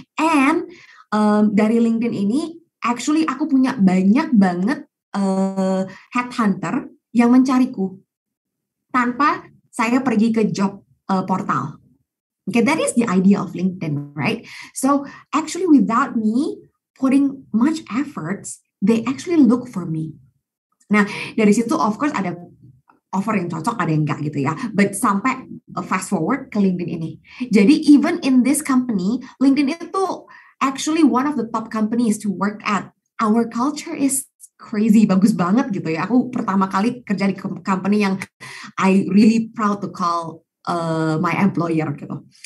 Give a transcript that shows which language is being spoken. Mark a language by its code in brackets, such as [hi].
[id] And dari LinkedIn ini, actually aku punya banyak banget headhunter yang mencariku tanpa saya pergi ke job portal. [en] Okay, that is the idea of LinkedIn, right? So actually without me putting much efforts, they actually look for me. [id] Nah, dari situ of course ada offer yang cocok, ada yang enggak gitu ya. But sampai [en] fast forward [id] ke LinkedIn ini. [en] Jadi even in this company, LinkedIn itu actually one of the top companies to work at. Our culture is crazy, [id] bagus banget gitu ya. Aku pertama kali kerja di [en] company yang I really proud to call my employer gitu.